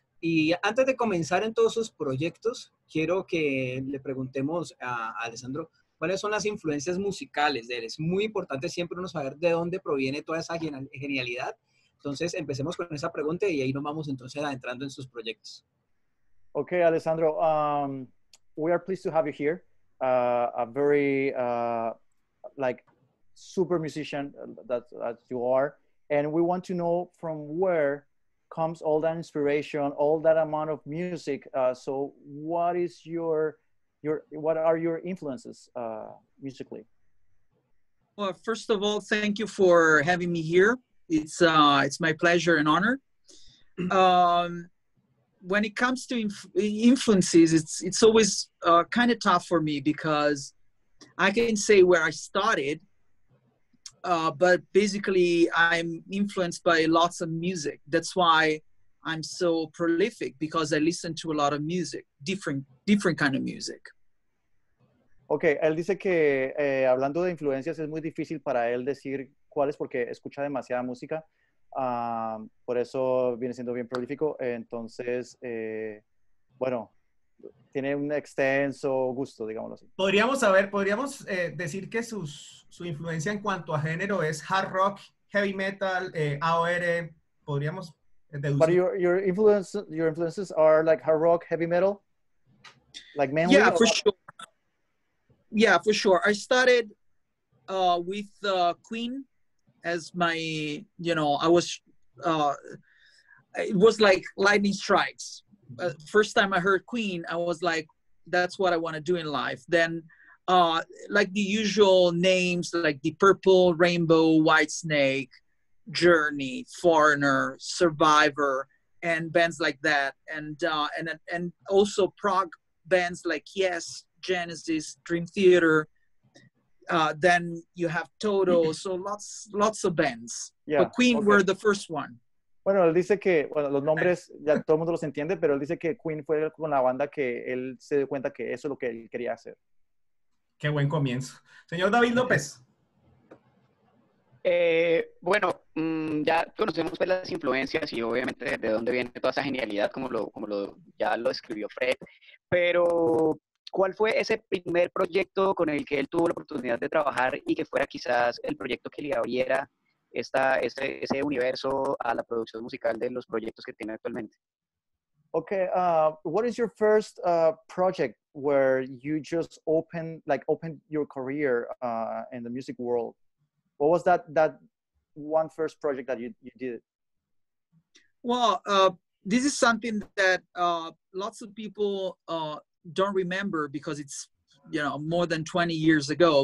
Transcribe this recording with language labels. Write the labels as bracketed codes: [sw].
[es] Y antes de comenzar en todos sus proyectos, quiero que le preguntemos a Alessandro, ¿cuáles son las influencias musicales de él? Es muy importante siempre uno saber de dónde proviene toda esa genialidad. Entonces, empecemos con esa pregunta y ahí nos vamos entonces adentrando en sus proyectos. [en] Okay, Alessandro, we are pleased to have you here. A very, super musician that you are. And we want to know from where comes all that inspiration, all that amount of music. So what is what are your influences musically? Well, first of all, thank you for having me here. It's my pleasure and honor. When it comes to influences, it's always kind of tough for me because I can say where I started, but basically I'm influenced by lots of music. That's why I'm so prolific, because I listen to a lot of music, different kind of music. [es] Okay, él dice que hablando de influencias es muy difícil para él decir cuál es porque escucha demasiada música, por eso viene siendo bien prolífico. Entonces, bueno, tiene un extenso gusto, digámoslo así. Podríamos decir que su influencia en cuanto a género es hard rock, heavy metal, AOR. Podríamos deducir. [en] But your influences are like hard rock, heavy metal, like mainly. Yeah, for sure. Yeah, for sure. I started with Queen. As my, you know, I was, it was like lightning strikes. First time I heard Queen, I was like, that's what I want to do in life. Then, like the usual names, like the Purple, Rainbow, Whitesnake, Journey, Foreigner, Survivor, and bands like that. And also prog bands like Yes, Genesis, Dream Theater. Then you have Toto, so lots of bands. Yeah, but Queen okay. Were the first one. [es] Bueno, él dice que, bueno, los nombres ya todo el mundo los entiende, pero él dice que Queen fue con la banda que él se dio cuenta que eso es lo que él quería hacer. Qué buen comienzo. Señor David López. Ya conocemos pues las influencias y obviamente de dónde viene toda esa genialidad, como lo ya lo escribió Fred, pero... ¿Cuál fue ese primer proyecto con el que él tuvo la oportunidad de trabajar y que fuera quizás el proyecto que le abriera ese universo a la producción musical de los proyectos que tiene actualmente? [en] Okay, what is your first project where you just opened your career in the music world? What was that one first project that you did? Well, this is something that lots of people don't remember because it's, you know, more than 20 years ago.